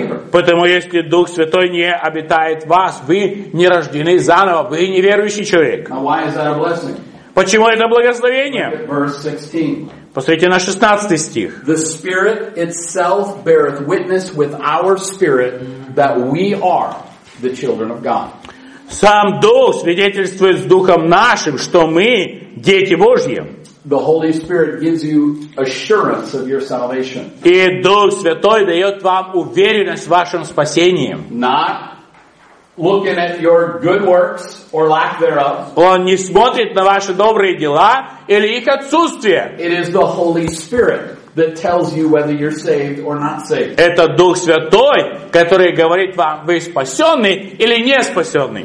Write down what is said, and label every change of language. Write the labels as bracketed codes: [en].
[ru] Потому если Дух Святой не обитает в вас, вы не рождены заново, вы не верующий человек. Почему это благословение? Посмотрите на 16 стих. [en] The Spirit itself beareth witness with our spirit that we are the children of God. [ru] Сам Дух свидетельствует с Духом нашим, что мы дети Божьи. [en] The Holy Spirit gives you assurance of your salvation. [ru] И Дух Святой дает вам уверенность в вашем спасении. [en] Not looking at your good works or lack thereof. [ru] Он не смотрит на ваши добрые дела или их отсутствие. [en] It is the Holy Spirit that tells you whether you're saved or not saved. [ru] Это Дух Святой, который говорит вам, вы спасенный или не спасенный.